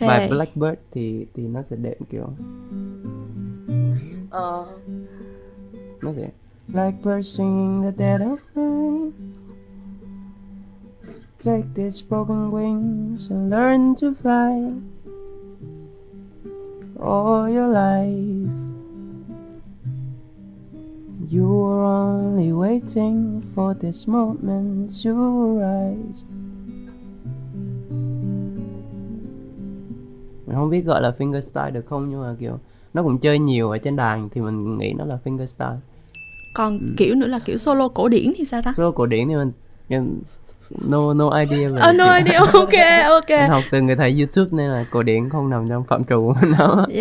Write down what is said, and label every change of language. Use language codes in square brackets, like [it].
[vi] Bài Blackbird thì nó sẽ đệm kiểu. Nó sẽ [en] Blackbird singing the dead of night. Take these broken wings and learn to fly. All your life you were only waiting for this moment to arise. [vi] Mình không biết gọi là finger style được không, nhưng mà kiểu nó cũng chơi nhiều ở trên đàn thì mình nghĩ nó là finger style. Còn kiểu nữa là kiểu solo cổ điển thì sao ta? Solo cổ điển thì mình [en] no idea [vi] là [en] idea. Ok. [vi] Mình học từ người thầy YouTube nên là cổ điển không nằm trong phạm trù của mình đâu.